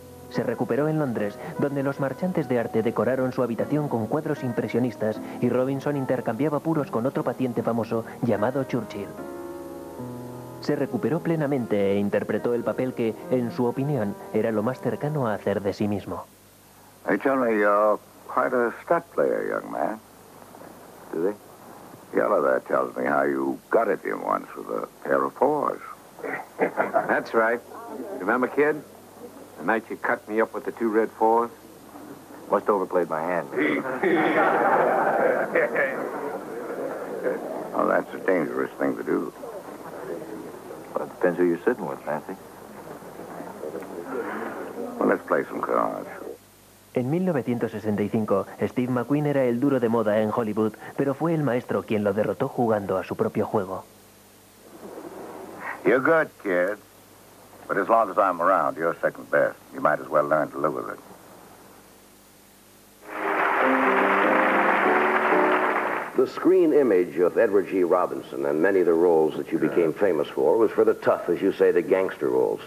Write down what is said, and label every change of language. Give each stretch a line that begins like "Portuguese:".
Spanish: Se recuperó en Londres, donde los marchantes de arte decoraron su habitación con cuadros impresionistas y Robinson intercambiaba puros con otro paciente famoso llamado Churchill. Se recuperó plenamente e interpretó el papel que, en su opinión, era lo más cercano a hacer de sí mismo.
English: They tell me you're quite a stat player, young man. Do they? The other there tells me how you gutted him once with a pair of fours. That's right. Remember, kid? The night you cut me up with the two red fours? Must overplayed my hand. Well, that's a dangerous thing to do. Well, it depends who you're sitting with, Nancy. Well, let's play some cards.
Spanish: En 1965, Steve McQueen era el duro de moda en Hollywood, pero fue el maestro quien lo derrotó jugando a su propio juego.
English: You're good, kid. But as long as I'm around, you're second best. You might as well learn to live with it. The screen image of Edward G. Robinson and many of the roles that you became famous for was for the tough, as you say, the gangster roles.